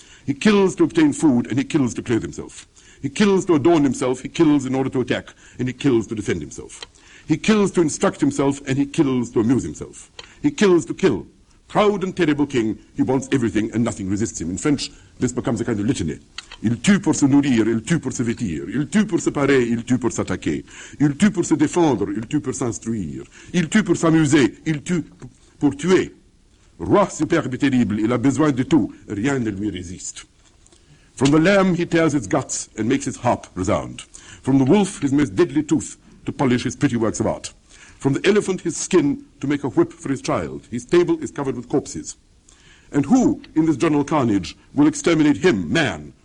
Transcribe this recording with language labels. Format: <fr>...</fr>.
<en>He kills to obtain food, and he kills to clothe himself. He kills to adorn himself, he kills in order to attack, and he kills to defend himself. He kills to instruct himself, and he kills to amuse himself. He kills to kill. Proud and terrible king, he wants everything, and nothing resists him. In French, this becomes a kind of litany.</en> <fr>Il tue pour se nourrir, il tue pour se vêtir. Il tue pour se parer, il tue pour s'attaquer. Il tue pour se défendre, il tue pour s'instruire. Il tue pour s'amuser, il tue pour tuer. Roi superbe et terrible, il a besoin de tout, rien ne lui résiste.</fr> <en>From the lamb he tears its guts and makes its harp resound. From the wolf his most deadly tooth to polish his pretty works of art. From the elephant his skin to make a whip for his child. His table is covered with corpses. And who in this general carnage will exterminate him, man?</en>